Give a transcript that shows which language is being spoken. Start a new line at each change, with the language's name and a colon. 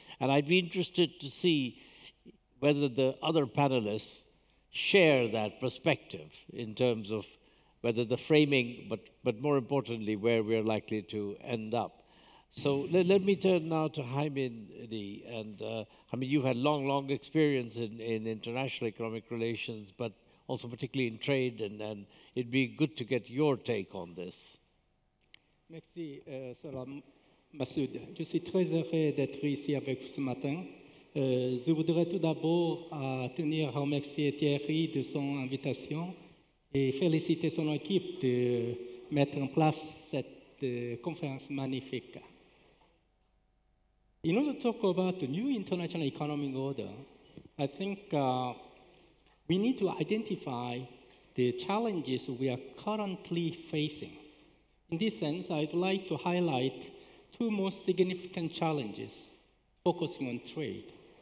English: And I'd be interested to see whether the other panelists share that perspective in terms of whether the framing, but more importantly, where we're likely to end up. So let me turn now to Hye-min Lee. And I mean, you've had long experience in international economic relations, but also particularly in trade, and it'd be good to get your take on this.
French: Merci, salam, Masood. Je suis très heureux d'être ici avec vous ce matin. Je voudrais tout d'abord tenir à remercier Thierry de son invitation et féliciter son équipe de mettre en place cette conférence magnifique.
English: In order to talk about the new international economic order, I think we need to identify the challenges we are currently facing. In this sense, I'd like to highlight two most significant challenges focusing on trade.